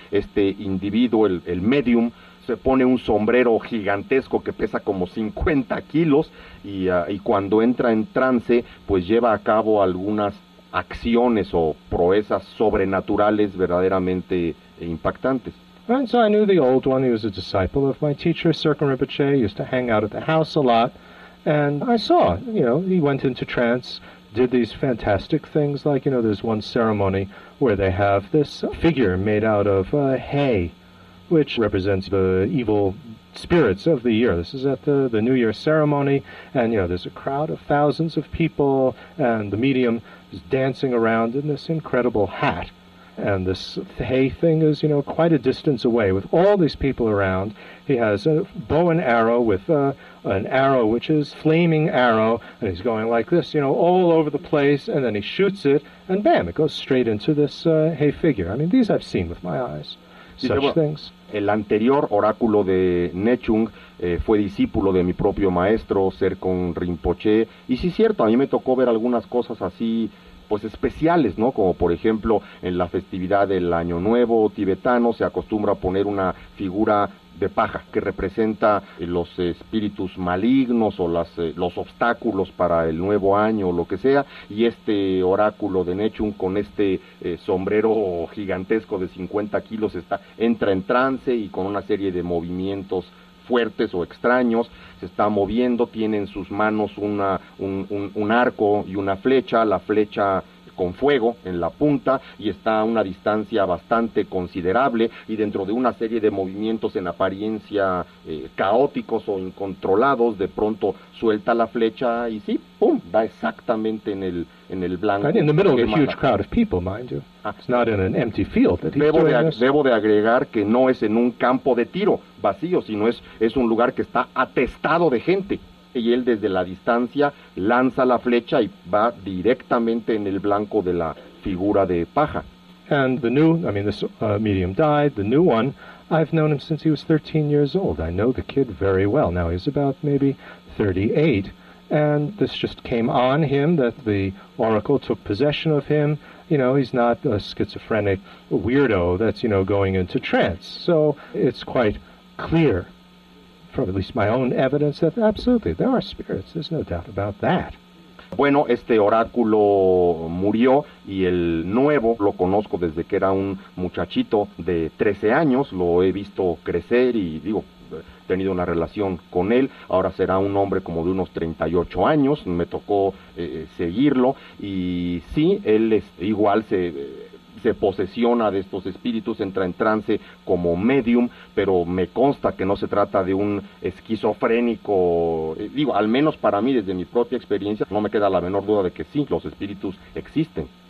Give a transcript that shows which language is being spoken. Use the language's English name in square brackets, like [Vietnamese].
[Spanish] Este individuo, el medium, se pone un sombrero gigantesco que pesa como 50 kilos y cuando entra en trance, pues lleva a cabo algunas acciones o proezas sobrenaturales verdaderamente impactantes. [English] And so I knew the old one. He was a disciple of my teacher, Sirkin Rinpoche. He used to hang out at the house a lot. And I saw, you know, he went into trance, did these fantastic things, like, you know, there's one ceremony where they have this figure made out of hay, which represents the evil spirits of the year. This is at the New Year ceremony, and, you know, there's a crowd of thousands of people, and the medium is dancing around in this incredible hat. And this hay thing is, you know, quite a distance away. With all these people around, he has a bow and arrow with an arrow which is flaming arrow, and he's going like this, you know, all over the place, and then he shoots it, and bam, it goes straight into this hay figure. I mean, these I've seen with my eyes. Such things. [Spanish] El anterior oráculo de Nechung fue discípulo de mi propio maestro, Serkon Rinpoche. Y sí, cierto, a mí me tocó ver algunas cosas así, pues especiales, ¿no? Como por ejemplo, en la festividad del Año Nuevo tibetano se acostumbra a poner una figura de paja que representa los espíritus malignos o los obstáculos para el nuevo año o lo que sea, y este oráculo de Nechung con este sombrero gigantesco de 50 kilos entra en trance y con una serie de movimientos fuertes o extraños, se está moviendo, tiene en sus manos un arco y una flecha, la flecha con fuego en la punta, y está a una distancia bastante considerable, y dentro de una serie de movimientos en apariencia caóticos o incontrolados, de pronto suelta la flecha y sí, pum, da exactamente en el blanco. [English] In the middle of a huge crowd of people, mind you. It's not in an empty field that he's doing this. [Spanish] Debo de agregar que no es en un campo de tiro vacío, sino es un lugar que está atestado de gente. Y él desde la distancia lanza la flecha y va directamente en el blanco de la figura de paja. [English] And medium died, the new one, I've known him since he was 13 years old. I know the kid very well. Now he's about maybe 38. And this just came on him, that the oracle took possession of him. You know, he's not a schizophrenic weirdo that's, you know, going into trance. So it's quite clear, from at least my own evidence, that absolutely there are spirits. There's no doubt about that. [Spanish] Bueno, este oráculo murió y el nuevo lo conozco desde que era un muchachito de 13 años. Lo he visto crecer y digo, he tenido una relación con él. Ahora será un hombre como de unos 38 años. Me tocó seguirlo y sí, él es igual se posesiona de estos espíritus, entra en trance como medium, pero me consta que no se trata de un esquizofrénico, digo, al menos para mí, desde mi propia experiencia, no me queda la menor duda de que sí, los espíritus existen.